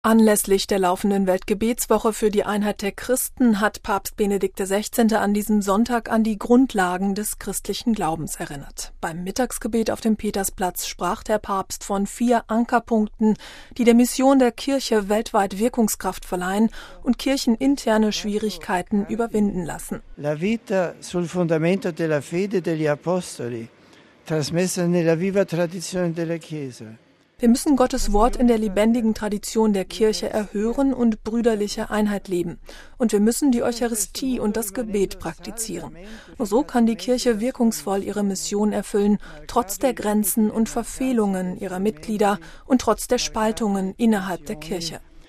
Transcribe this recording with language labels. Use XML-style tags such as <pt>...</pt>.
<de>Anlässlich der laufenden Weltgebetswoche für die Einheit der Christen hat Papst Benedikt XVI. An diesem Sonntag an die Grundlagen des christlichen Glaubens erinnert. Beim Mittagsgebet auf dem Petersplatz sprach der Papst von 4 Ankerpunkten, die der Mission der Kirche weltweit Wirkungskraft verleihen und kircheninterne Schwierigkeiten überwinden lassen.</de> <it>La vita sul fondamento della fede degli Apostoli, trasmessa nella viva tradizione della Chiesa.</it> <de>Wir müssen Gottes Wort in der lebendigen Tradition der Kirche erhören und brüderliche Einheit leben. Und wir müssen die Eucharistie und das Gebet praktizieren. Nur so kann die Kirche wirkungsvoll ihre Mission erfüllen, trotz der Grenzen und Verfehlungen ihrer Mitglieder und trotz der Spaltungen innerhalb der Kirche.</de>